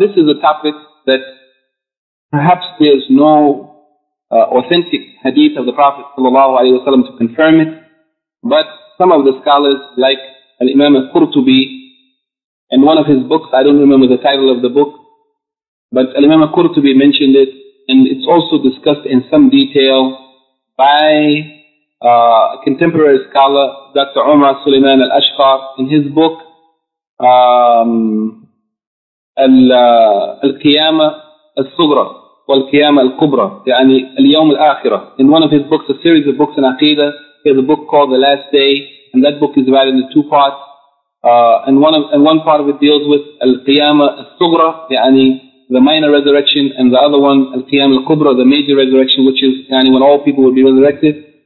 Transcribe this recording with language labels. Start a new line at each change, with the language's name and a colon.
English: This is a topic that perhaps there's no authentic hadith of the Prophet ﷺ to confirm it, but some of the scholars, like Al-Imam Al-Qurtubi, in one of his books, I don't remember the title of the book, but Al-Imam Al-Qurtubi mentioned it, and it's also discussed in some detail by a contemporary scholar, Dr. Umar Suleiman Al-Ashqar, in his book, Al-Qiyamah Al-Sughra.
Arabic: والقيامة الكبرى يعني اليوم الآخرة.
English: In one of his books, a series of books in Aqidah, he has a book called The Last Day, and that book is divided into two parts. One part of it deals with
Arabic: القيامة الصغرى يعني
English: the minor resurrection, and the other one القيامة الكبرى, the major resurrection, which is يعني when all people will be resurrected.